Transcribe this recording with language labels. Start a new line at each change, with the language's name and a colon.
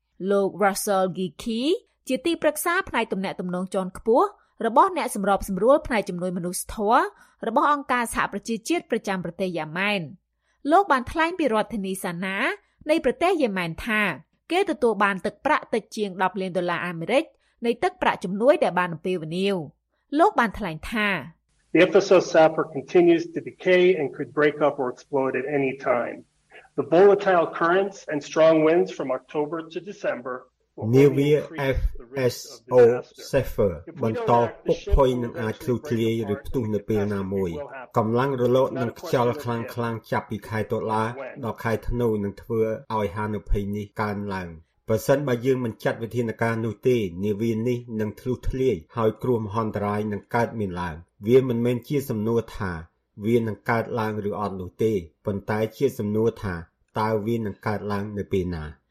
Khmer: លោក Russell Geekie ជាទីប្រឹក្សាផ្នែកទំនាក់ទំនងជាន់ខ្ពស់របស់អ្នកសម្របសម្រួលផ្នែកជំនួយមនុស្សធម៌របស់អង្គការសហប្រជាជាតិប្រចាំប្រទេសយ៉ាម៉ែនលោកបានថ្លែងពីរដ្ឋធានីសាណានៃប្រទេសយ៉ាម៉ែនថាគេទទួលបានទឹកប្រាក់តិចជាង10លានដុល្លារអាមេរិកនៃទឹកប្រាក់ជំនួយដែលបានអំពាវនាវលោកបានថ្លែងថា
English: The FSO Safer continues to decay and could break up or explode at any time. The volatile currents and strong winds from October to December will increase the risk of disaster.
Khmer: NVFSO Safer បន្តពុកផុយនឹងអាចធ្លុះធ្លាយឬផ្ទុះនៅពេលណាមួយកម្លាំងរលកនឹងខ្យល់ខ្លាំងខ្លាំងចាប់ពីខែតុលាដល់ខែធ្នូនឹងធ្វើឲ្យហានិភ័យនេះកើនឡើងបើសិនបើយើងមិនចាត់វិធានការនោះទេនាវានេះនឹងធ្លុះធ្លាយហើយគ្រោះមហន្តរាយនឹងកើតមានឡើងវាមិនមែនជាសំណួរថាវានឹងកើតឡើងឬអត់នោះទេប៉ុន្តែជាសំណួរថាតើវានឹងកើតឡើងនៅពេលណាន